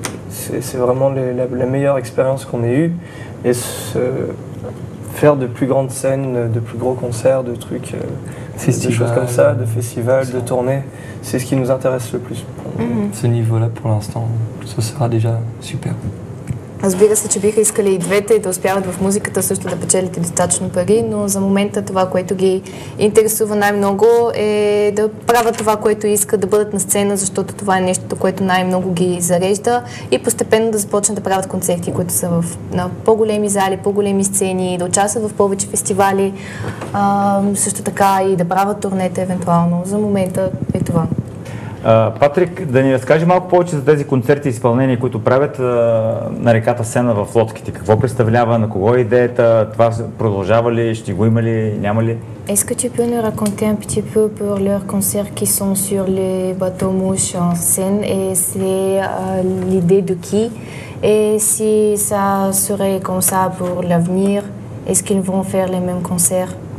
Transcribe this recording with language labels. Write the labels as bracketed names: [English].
[French] C'est vraiment la meilleure expérience qu'on ait eue. Et faire de plus grandes scènes, de plus gros concerts, de trucs, festivals, de choses comme ça, de festivals, de tournées, c'est ce qui nous intéresse le plus. Ce niveau-là, pour l'instant, ce sera déjà super. [Bulgarian] Разбира се, че биха искали и двете да успяват в музиката, също да печелите достатъчно пари, но за момента това, което ги интересува най-много е да правят това, което искат, да бъдат на сцена, защото това е нещото, което най-много ги зарежда и постепенно да започнат да правят концерти, които са на по-големи зали, по-големи сцени, да участват в повече фестивали, също така и да правят турнета евентуално. За момента е това. Патрик, да ни разкажи малко повече за тези концерти и изпълнения, които правят на реката Сена в лодките. Какво представлява, на кого е идеята, това продължава ли, ще го има ли, няма ли? [French] Est-ce que tu peux nous raconter un petit peu pour leurs concerts qui sont sur les bateaux mouches en Seine et c'est l'idée de qui? Et si ça serait comme ça pour l'avenir, est-ce qu'ils vont faire les mêmes concerts?